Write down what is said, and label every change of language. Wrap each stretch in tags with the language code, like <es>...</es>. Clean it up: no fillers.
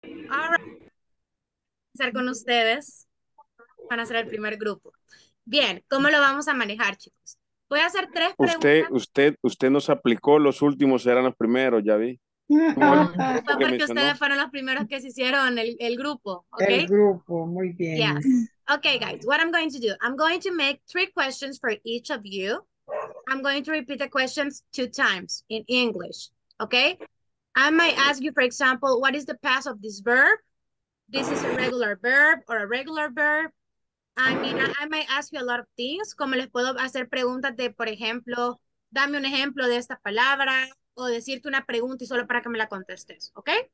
<es>Ahora empezar con ustedes, van a ser el primer grupo. Bien, ¿cómo lo vamos a manejar, chicos? Voy a hacer 3 preguntas. Usted nos aplicó, los últimos eran los primeros, ya vi. Fue porque ustedes fueron los primeros que se hicieron el grupo, ¿ok? El grupo, muy bien.</es> <en>Yes. Okay, guys, what I'm going to do, I'm going to make 3 questions for each of you. I'm going to repeat the questions 2 times in English, ¿ok? I might ask you, for example, what is the past of this verb? This is a regular verb or a regular verb. I mean, I might ask you a lot of things.</en> <es>Como les puedo hacer preguntas de, por ejemplo, dame un ejemplo de esta palabra o decirte una pregunta y solo para que me la contestes, ¿ok?</es>